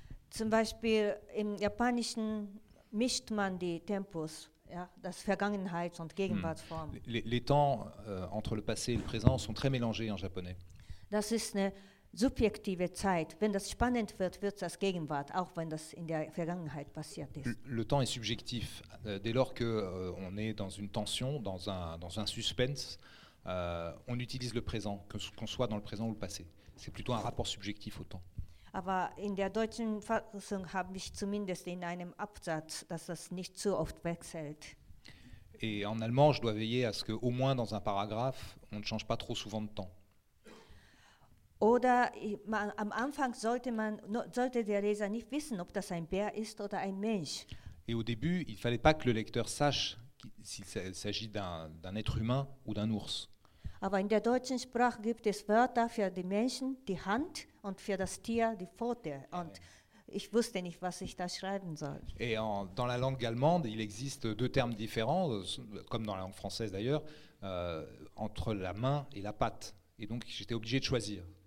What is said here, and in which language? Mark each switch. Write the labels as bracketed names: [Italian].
[German] Zum Beispiel im Japanischen mischt man die Tempus, ja, das Vergangenheits- und Gegenwartsform. [French] Les temps entre le passé et le présent sont très mélangés en japonais. [German] Das ist eine subjektive Zeit. Wenn das spannend wird, wird das Gegenwart, auch wenn das in der Vergangenheit passiert ist. [French] Le temps est subjectif. Dès lors que on est dans une tension, dans un suspense, on utilise le présent, qu'on soit dans le présent ou le passé. C'est plutôt un rapport subjectif au temps. [German] Aber in der deutschen Fassung habe ich zumindest in einem Absatz, dass das nicht zu oft wechselt. [French] Et en allemand, je dois veiller à ce que, au moins dans un paragraphe, on ne change pas trop souvent de temps. [German] Oder man, am Anfang sollte der Leser nicht wissen, ob das ein Bär ist oder ein Mensch. [French] Et au début, il fallait pas que le lecteur sache s'il s'agit d'un être humain ou d'un ours. [German] Aber in der deutschen Sprache gibt es Wörter für die Menschen, die Hand, und für das Tier, die Pfote. Und ich wusste nicht, was ich da schreiben soll. [French] Et dans la langue allemande, il existe deux termes différents, comme dans la langue française d'ailleurs, entre la main et la patte. Et donc, j'étais obligé de choisir.